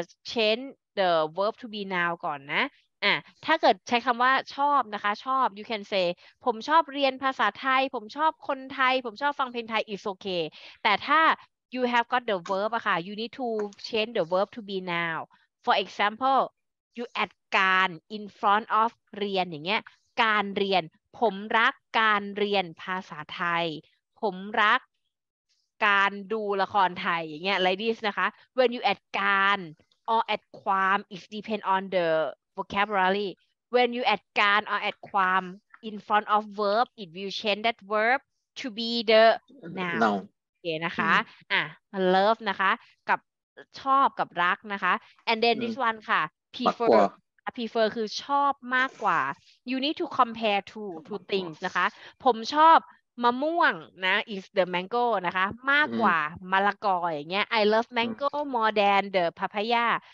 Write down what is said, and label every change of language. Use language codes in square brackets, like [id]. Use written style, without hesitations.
[th] change the verb to be now ก่อนนะถ้าเกิดใช้คำว่าชอบนะคะชอบ you can say ผมชอบเรียนภาษาไทยผมชอบคนไทยผมชอบฟังเพลงไทย is okay แต่ถ้า you have got the verb อะค่ะ [en] you need to change the verb to be now [th] for example you add การ in front of เรียนอย่างเงี้ยการเรียนผมรักการเรียนภาษาไทยผมรัก การดูละครไทยอย่างเงี้ย ladies นะคะ [en] when you add การ or add ความ it depend on the vocabulary [th] when you add การ or add ความ [en] in front of verb it will change that verb to be the noun no. [th] okay นะคะ mm. อ่ะ love นะคะกับชอบกับรักนะคะ and then mm. this one ค่ะ preferprefer คือชอบมากกว่า [en] you need to compare two things [th] นะคะผมชอบมะม่วงนะ is the mango นะคะมากกว่ามะละกออย่างเงี้ย [en] I love mango more than the papaya